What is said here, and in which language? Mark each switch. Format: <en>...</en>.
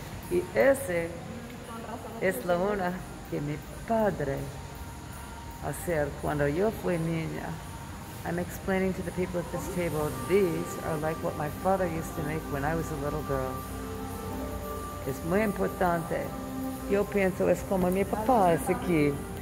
<es>Y ese es la una que mi padre hacer cuando yo fui niña.</es> <en>I'm explaining to the people at this table, these are like what my father used to make when I was a little girl.</en> <es>Es muy importante. Yo pienso es como mi papá es aquí.</es>